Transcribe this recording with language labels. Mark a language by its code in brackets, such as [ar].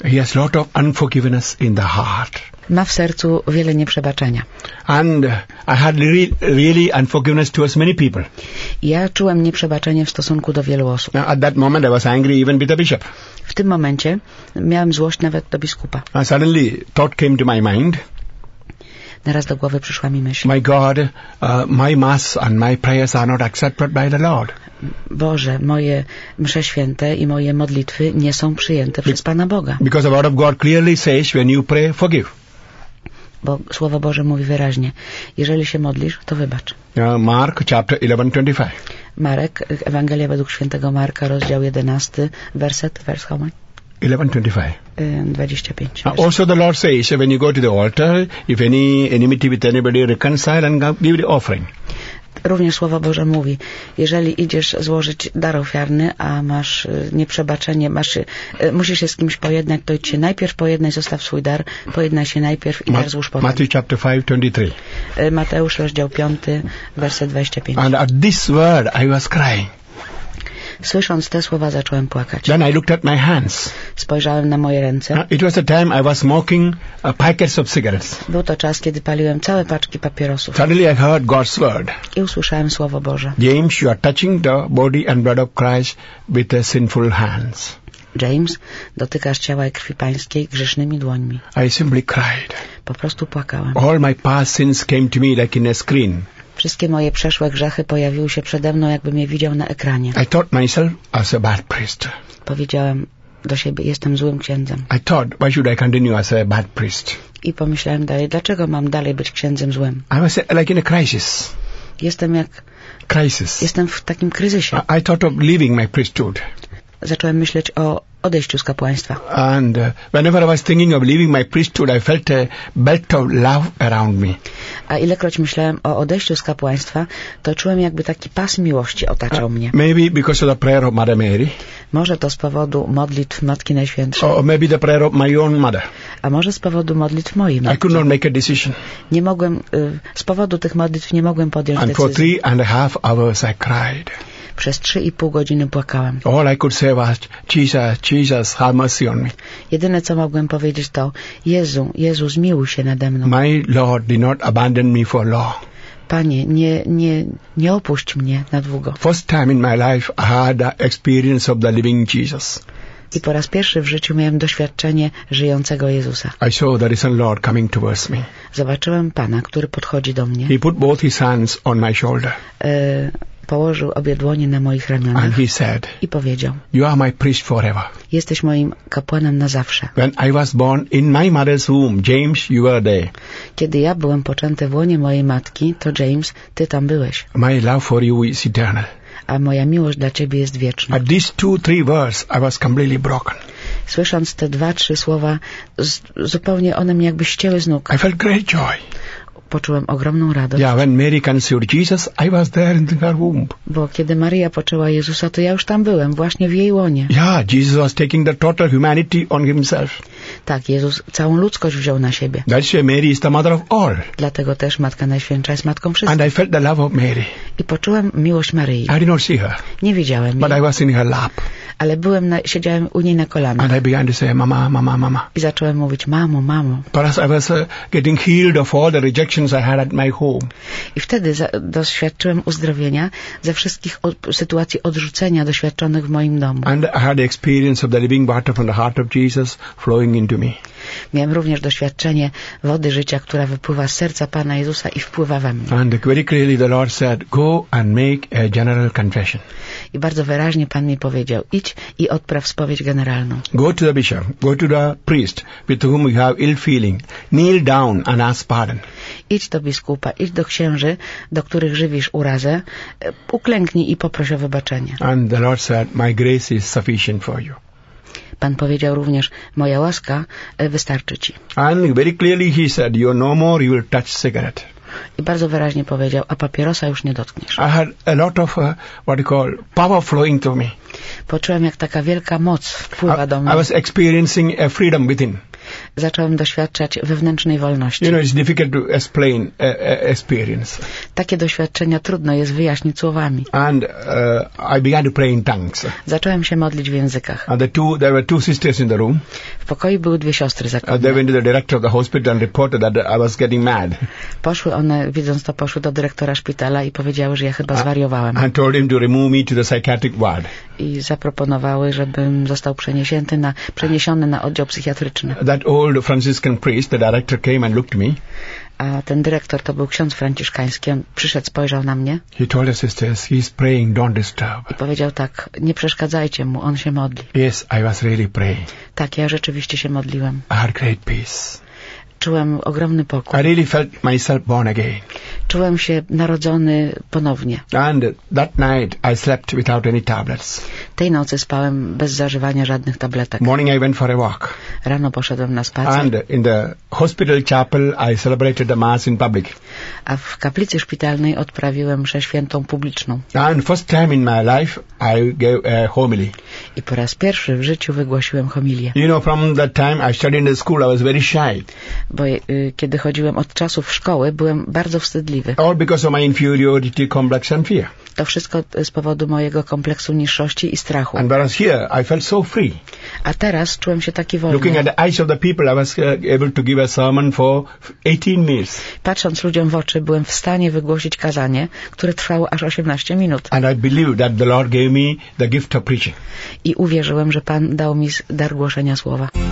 [en] He has a lot of unforgiveness in the heart. [pl] Ma w sercu wiele nieprzebaczenia. [en] And I had really unforgiveness towards many people. [pl] Ja czułem nieprzebaczenie w stosunku do wielu osób. [en] Now, at that moment I was angry even with the bishop. [pl] W tym momencie miałem złość nawet do biskupa. [en] And suddenly thought came to my mind. [pl] Naraz do głowy przyszła mi myśl. [en] My God, my mass and my prayers are not accepted by the Lord. [pl] Boże, moje msze święte i moje modlitwy nie są przyjęte przez Pana Boga. [en] Because the word of God clearly says, when you pray, forgive. [pl] Bo Słowo Boże mówi wyraźnie, jeżeli się modlisz, to wybacz. [en] Mark chapter 11:25. [pl] Marek, Ewangelia według świętego Marka, rozdział 11, werset, vers [en] how much? 11:25. Also the Lord says, when you go to the altar, if any enmity with anybody, reconcile and give the offering. [pl] również Słowo Boże mówi, jeżeli idziesz złożyć dar ofiarny, a masz nieprzebaczenie, musisz się z kimś pojednać, to idź się najpierw pojednaj, zostaw swój dar, pojednaj się najpierw i dar złóż potem. [en] Matthew chapter 5, 23. [pl] Mateusz, rozdział 5, werset 25. [en] And at this word I was crying. [pl] Słysząc te słowa, zacząłem płakać. [en] Then I looked at my hands. [pl] Spojrzałem na moje ręce. [en] It was a time I was smoking packets of cigarettes. [pl] Był to czas, kiedy paliłem całe paczki papierosów. [en] Suddenly I heard God's word. [pl] I usłyszałem słowo Boże. [en] James, you are touching the body and blood of Christ with the sinful hands. [pl] James, dotykasz ciała i krwi Pańskiej grzesznymi dłońmi. [en] I simply cried. [pl] Po prostu płakałem. [en] All my past sins came to me like in a screen. [pl] Wszystkie moje przeszłe grzechy pojawiły się przede mną, jakbym je widział na ekranie. [en] I thought myself as a bad priest. [pl] Powiedziałem do siebie, jestem złym księdzem. [en] I thought, why should I continue as a bad priest? [pl] I pomyślałem dalej, dlaczego mam dalej być księdzem złym? [en] I was like in a crisis. [pl] Jestem jak... [en] Crisis. [pl] Jestem w takim kryzysie. [en] I thought of leaving my priesthood. [pl] Zacząłem myśleć o odejściu z kapłaństwa. [en] And whenever I was thinking of leaving my priesthood, I felt a belt of love around me. [pl] A ilekroć myślałem o odejściu z kapłaństwa, to czułem jakby taki pas miłości otaczał mnie. [en] Maybe because of the prayer of Mother Mary. [pl] Może to z powodu modlitw Matki Najświętszej. [en] Or maybe the prayer of my own mother. [pl] A może z powodu modlitw mojej matki. [en] I could not make a decision. [pl] Nie mogłem, z powodu tych modlitw nie mogłem podjąć [en] and [pl] decyzji. [en] And for 3.5 hours I cried. [pl] Przez 3.5 godziny płakałem. [en] All I could say was, Jesus, Jesus, have mercy on me. [pl] Jedyne, co mogłem powiedzieć, to Jezu, Jezu, zmiłuj się nade mną. [en] My Lord did not abandon me for long. [pl] Panie, nie opuść mnie na długo. [en] First time in my life I had the experience of the living Jesus. [pl] I po raz pierwszy w życiu miałem doświadczenie żyjącego Jezusa. [en] I saw the risen Lord coming towards me. [pl] Zobaczyłem Pana, który podchodzi do mnie. [en] He put both his hands on my shoulder. [pl] Położył obie dłonie na moich ramionach. [en] And he said, [pl] i powiedział, [en] you are my priest forever. [pl] Jesteś moim kapłanem na zawsze. [en] When I was born in my mother's womb, James, you were there. [pl] Kiedy ja byłem poczęty w łonie mojej matki, to James, ty tam byłeś. [en] My love for you is eternal. [pl] A moja miłość dla ciebie jest wieczna. [en] At these 2-3 words, I was completely broken. [pl] Słysząc te 2-3 słowa, zupełnie one mnie jakby ścięły z nóg. [en] I felt great joy. [pl] Poczułem ogromną radość. [en] Yeah, when Mary conceived Jesus, I was there in her womb. [pl] Bo kiedy Maria poczęła Jezusa, to ja już tam byłem, właśnie w jej łonie. [en] Yeah, Jesus was taking the total humanity on himself. [pl] Tak, Jezus całą ludzkość wziął na siebie. [en] That's why Mary is the mother of all. [pl] Dlatego też Matka Najświętsza jest matką wszystkich. [en] And I felt the love of Mary. [pl] I poczułem miłość Maryi. [en] I did not see her. [pl] Nie widziałem [en] but [pl] jej. [en] But I was in her lap. [pl] Ale byłem siedziałem u niej na kolanach. [en] And I began to say, mama, mama, mama. [pl] I zacząłem mówić, mamo, mamo. [en] Perhaps I was getting healed of all the rejections I had at my home. [pl] I wtedy doświadczyłem uzdrowienia ze wszystkich sytuacji odrzucenia doświadczonych w moim domu. [en] And I had the experience of the living water from the heart of Jesus flowing into me. [pl] Miałem również doświadczenie wody życia, która wypływa z serca Pana Jezusa i wpływa we mnie. [en] And very clearly the Lord said, go and make a general confession. [pl] I bardzo wyraźnie Pan mi powiedział, idź i odpraw spowiedź generalną. [en] Go to the bishop, go to the priest with whom you have ill feeling. Kneel down and ask pardon. [pl] Idź do biskupa, idź do księży, do których żywisz urazę, uklęknij i poproś o wybaczenie. [en] And the Lord said, my grace is sufficient for you. [pl] Pan powiedział również, moja łaska wystarczy ci. [en] And very clearly he said, you no more, you will touch cigarette. [pl] I bardzo wyraźnie powiedział, a papierosa już nie dotkniesz. [en] I had a lot of what you call power flowing to me. [pl] Poczułem, jak taka wielka moc wpływa do mnie. [en] I was experiencing a freedom within. [pl] Zacząłem doświadczać wewnętrznej wolności. [en] You know, it's difficult to explain experience. [pl] Takie doświadczenia trudno jest wyjaśnić słowami. [en] And I began to pray in tongues. [pl] Zacząłem się modlić w językach. [en] And there were two sisters in the room. [pl] W pokoju były dwie siostry zakonne. [en] They went to the director of the hospital and reported that I was getting mad. [pl] Poszły one, widząc to, poszły do dyrektora szpitala i powiedziały, że ja chyba zwariowałem. [en] And told him to remove me to the psychiatric ward. [pl] I zaproponowały, żebym został przeniesiony na oddział psychiatryczny. [en] That old Franciscan priest, the director came and looked at me. [pl] A ten dyrektor, to był ksiądz franciszkański, on przyszedł, spojrzał na mnie. [en] He told his sisters, he's praying, don't disturb. [pl] I powiedział tak, nie przeszkadzajcie mu, on się modli. [en] Yes, I was really praying. [pl] Tak, ja rzeczywiście się modliłem. [en] I had great peace. [pl] Czułem ogromny pokój. [en] I really felt myself born again. [pl] czułem się narodzony ponownie. [en] And that night I slept without any tablets. [pl] Tej nocy spałem bez zażywania żadnych tabletek. [en] Morning I went for a walk. [pl] Rano poszedłem na spacer. [en] And in the hospital chapel I celebrated the mass in public. [pl] A w kaplicy szpitalnej odprawiłem mszę świętą publiczną. [en] And first time in my life I gave a homily. [pl] I po raz pierwszy w życiu wygłosiłem homilię. [en] You know, from that time I studied in the school, I was very shy. [pl] Bo kiedy chodziłem od czasów szkoły, byłem bardzo wstydliwy. [en] All because of my inferiority complex and fear. [pl] To wszystko z powodu mojego kompleksu niższości i strachu. [en] And whereas here, I felt so free. [pl] A teraz czułem się taki wolny. [en] Looking at the eyes of the people, I was able to give a sermon for 18 minutes. [pl] Patrząc ludziom w oczy, byłem w stanie wygłosić kazanie, które trwało aż 18 minut. [en] And I believed that the Lord gave me the gift of preaching. [pl] I uwierzyłem, że Pan dał mi dar głoszenia słowa.